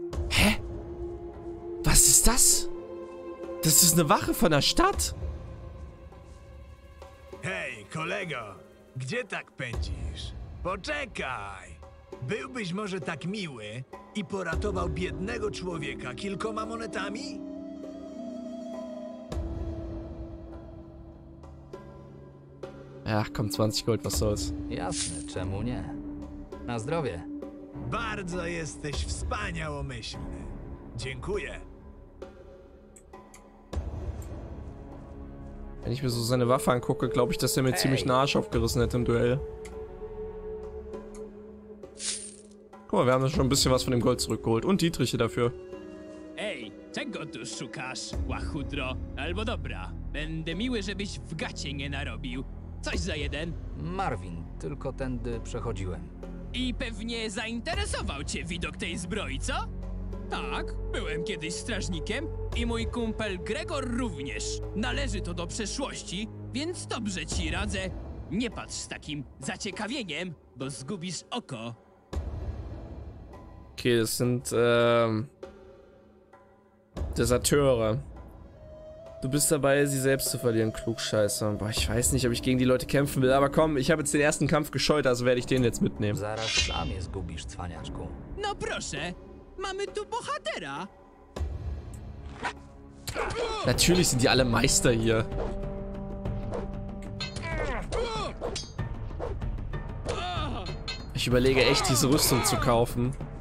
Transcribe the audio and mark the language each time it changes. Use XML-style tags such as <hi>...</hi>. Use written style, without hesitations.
<de>Hä? Was ist das? Das ist eine Wache von der Stadt? Hey, Kollege,</de> <pl>gdzie tak pędzisz? Poczekaj! Byłbyś może tak miły i poratował biednego człowieka kilkoma monetami?</pl> <de>Ach, komm, 20 gold, was soll's.</de> <pl>Jasne, czemu nie? Na zdrowie. Bardzo jesteś wspaniałomyślny. Dziękuję.</pl> <de>Wenn ich mir so seine Waffe angucke, glaube ich, dass er mir ziemlich einen Arsch aufgerissen hätte im Duell. Guck mal, wir haben schon ein bisschen was von dem Gold zurückgeholt. Und Dietriche dafür.</de> <pl>Ej, czego tu szukasz, łachudro? Albo dobra, będę miły, żebyś w gacie nie narobił. Coś za jeden? Marvin, tylko tędy przechodziłem. I pewnie zainteresował cię widok tej zbroi, co? Tak, byłem kiedyś strażnikiem i mój kumpel Gregor również. Należy to do przeszłości, więc dobrze ci radzę. Nie patrz z takim zaciekawieniem, bo zgubisz oko.</pl> <de>Okay, das sind, Deserteure. Du bist dabei, sie selbst zu verlieren, Klugscheißer. Boah, ich weiß nicht, ob ich gegen die Leute kämpfen will, aber komm, ich habe jetzt den ersten Kampf gescheut, also werde ich den jetzt mitnehmen.</de> <pl>Zaraz sam je zgubisz, cwaniaczku. No proszę, mamy tu bohatera.</pl> <de>Natürlich sind die alle Meister hier. Ich überlege echt, diese Rüstung zu kaufen.</de>